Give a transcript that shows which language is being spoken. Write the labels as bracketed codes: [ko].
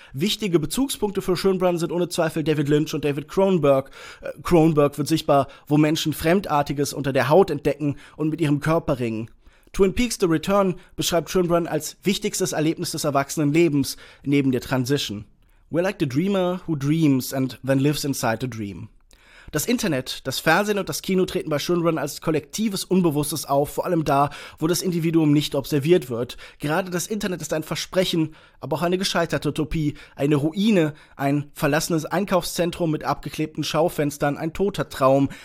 [de] Wichtige Bezugspunkte für Schönbrunn sind ohne Zweifel David Lynch und David Cronenberg. Cronenberg wird sichtbar, wo Menschen Fremdartiges unter der Haut entdecken und mit ihrem Körper ringen. Twin Peaks The Return beschreibt Schönbrunn als wichtigstes Erlebnis des erwachsenen Lebens neben der Transition. [en] We're like the dreamer who dreams and then lives inside the dream. [de] Das Internet, das Fernsehen und das Kino treten bei Schönbrunn als kollektives Unbewusstes auf, vor allem da, wo das Individuum nicht observiert wird. Gerade das Internet ist ein Versprechen, aber auch eine gescheiterte Utopie, eine Ruine, ein verlassenes Einkaufszentrum mit abgeklebten Schaufenstern, ein toter Traum.